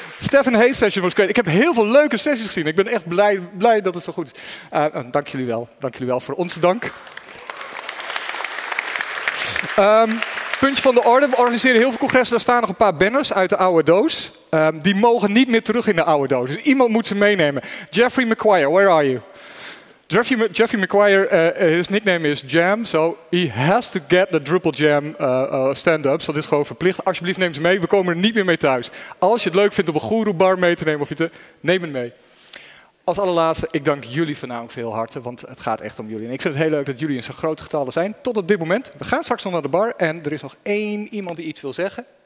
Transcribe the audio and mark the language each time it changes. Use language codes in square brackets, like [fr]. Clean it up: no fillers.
[nl] Stephen Hayes [en] session was great. [nl] Ik heb heel veel leuke sessies gezien. Ik ben echt blij dat het zo goed is. Dank jullie wel. Dank jullie wel voor onze dank. Puntje van de orde. We organiseren heel veel congressen. Daar staan nog een paar banners uit de oude doos. Die mogen niet meer terug in de oude doos. Dus iemand moet ze meenemen. [en] Jeffrey McQuire, where are you? Jeffrey McQuire, his nickname is Jam, so he has to get the Drupal Jam stand-up. [nl] Dat is gewoon verplicht. Alsjeblieft, neem ze mee. We komen er niet meer mee thuis. Als je het leuk vindt om een guru bar mee te nemen, neem het mee. Als allerlaatste, ik dank jullie vanavond veel harten, want het gaat echt om jullie. En ik vind het heel leuk dat jullie in zo'n groot getallen zijn. Tot op dit moment. We gaan straks nog naar de bar en er is nog 1 iemand die iets wil zeggen.